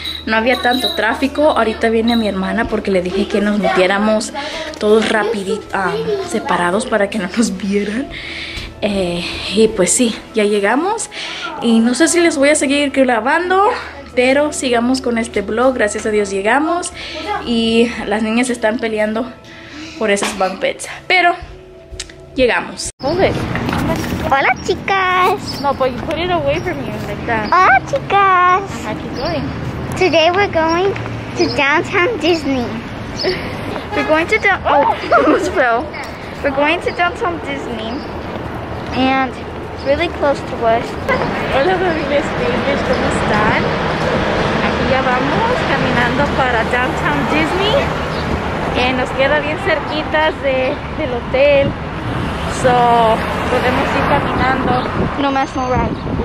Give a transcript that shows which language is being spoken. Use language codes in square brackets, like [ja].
[es] No había tanto tráfico. Ahorita viene mi hermana porque le dije que nos metiéramos todos rapidito, separados para que no nos vieran. Y pues sí, ya llegamos. Y no sé si les voy a seguir grabando, pero sigamos con este vlog. Gracias a Dios llegamos. Y las niñas están peleando por esas [en] bunk beds. [es] Pero llegamos. Hola, chicas. [en] No, but you put it away from you like that. [es] Hola, chicas. [en] Uh-huh, keep going. Today we're going to Downtown Disney. We're going to almost fell. We're going to Downtown Disney, and it's really close to us. [es] Hola, familia Spanglish, ¿cómo están? Aquí ya vamos caminando para Downtown Disney, and nos queda bien cerquitas del hotel. So, podemos ir caminando. No más, no ride.